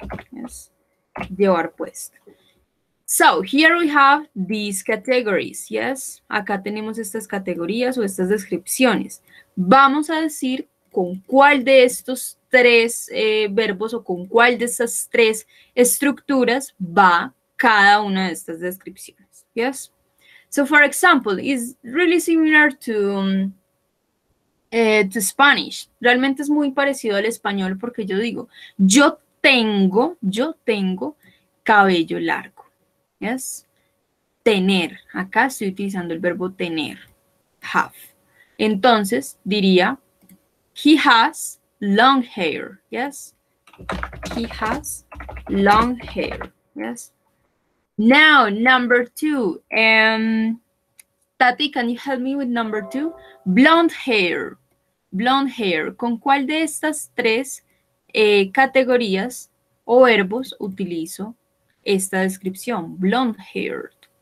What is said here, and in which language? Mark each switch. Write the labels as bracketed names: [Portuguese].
[English] Yes. [Spanish] Llevar puesto. [English] So, here we have these categories, yes? [Spanish] Acá tenemos estas categorías o estas descripciones. Vamos a decir con cuál de estos tres verbos o con cuál de estas tres estructuras va cada una de estas descripciones, yes? [English] So, for example, it's really similar to Spanish. [Spanish] Realmente es muy parecido al español porque yo digo, yo tengo cabello largo, yes, tener, acá estoy utilizando el verbo tener, have, entonces diría, [English] he has long hair, [Spanish] yes, he has long hair, yes. [English] Now, number two, Tati, can you help me with number two? Blonde hair, [Spanish] ¿con cuál de estas tres categorías o verbos utilizo esta descripción, blonde-haired?